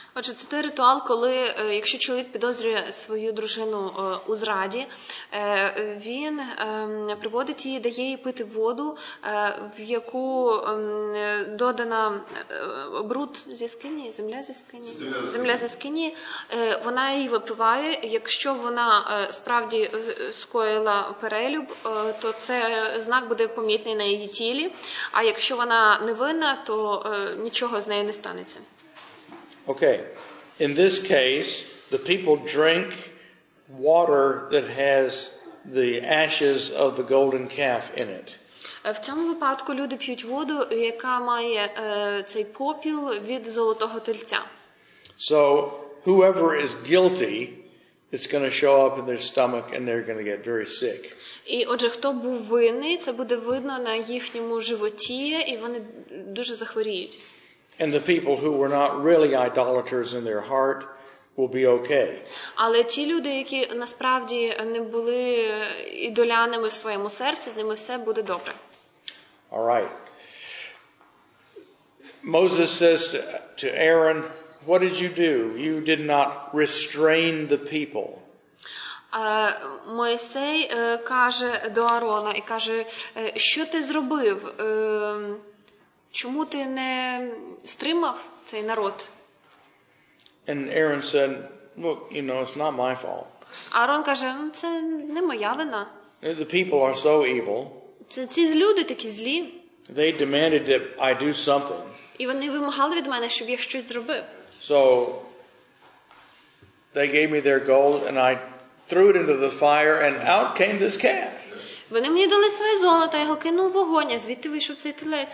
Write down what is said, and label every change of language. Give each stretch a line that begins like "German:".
Ukrainian: Отже, це той ритуал, коли якщо чоловік підозрює свою дружину у зраді, він приводить її, дає їй пити воду, в яку додана бруд зі скині, земля зі скині, вона її випиває. Якщо вона справді скоїла перелюб, то це знак буде помітний на її тілі, а якщо вона невинна, то нічого з нею не станеться.
English: Okay. In this case, the people drink water that has the ashes of the golden calf in it.
Ukrainian: В цьому випадку люди п'ють воду, яка має цей попіл від золотого тельця.
English: So, whoever is guilty, it's going to show up in their stomach and they're going to get very sick.
Ukrainian: І отже, хто був винний, це буде видно на їхньому животі, і вони дуже захворіють.
English: And the people who were not really idolaters in their heart will be okay.
Ukrainian: Але ті люди, які насправді не були ідолянами в своєму серці, з ними все буде добре.
English: All right. Moses says to Aaron, "What did you do? You did not restrain the people."
Ukrainian: Мойсей каже до Аарона і каже: "Що ти зробив? Чому ти не стримав цей народ?"
English: And Aaron said, "Look, you know, it's not my fault."
Ukrainian: Аарон каже: "Ну, це не моя вина."
English: The people are so evil.
Ukrainian: Ці люди такі злі.
English: They demanded that I do something.
Ukrainian: І вони вимагали від мене, щоб я щось зробив.
English: So they gave me their gold and I threw it into the fire and out came this calf.
Ukrainian: Вони мені дали своє золото, я його кинув в вогонь, а звідти вийшов цей телець.